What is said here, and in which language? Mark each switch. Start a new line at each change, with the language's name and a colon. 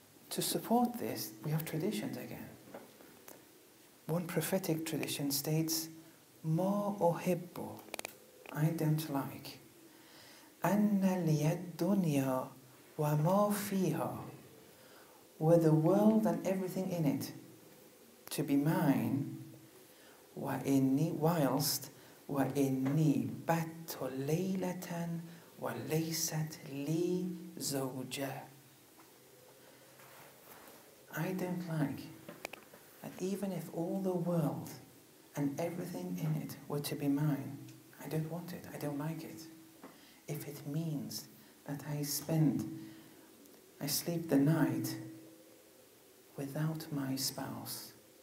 English: To support this, we have traditions again. One prophetic tradition states,
Arabic: "Ma uhibbu,
English: I don't like,
Arabic: anna liyad dunya wa ma fiha,
English: were the world and everything in it to be mine, whilst
Arabic: وإني بات ليلة وليست لي زوجة.
English: I don't like that even if all the world and everything in it were to be mine, I don't want it, I don't like it. If it means that I sleep the night without my spouse.